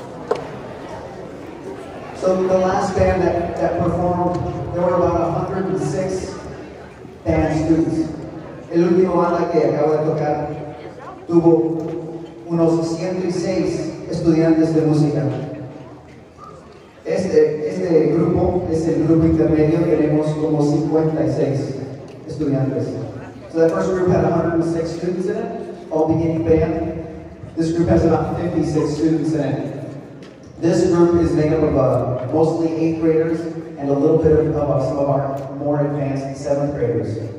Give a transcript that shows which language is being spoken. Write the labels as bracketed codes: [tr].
[en] So the last band that performed, there were about 106 band students. [es] El último banda que acabo de tocar tuvo unos 106 estudiantes de música. Este grupo es el grupo intermedio, tenemos como 56 estudiantes. [en] So that first group had 106 students in it, all beginning band. This group has about 56 students in it. This group is made up of mostly 8th graders and a little bit of some of our more advanced 7th graders.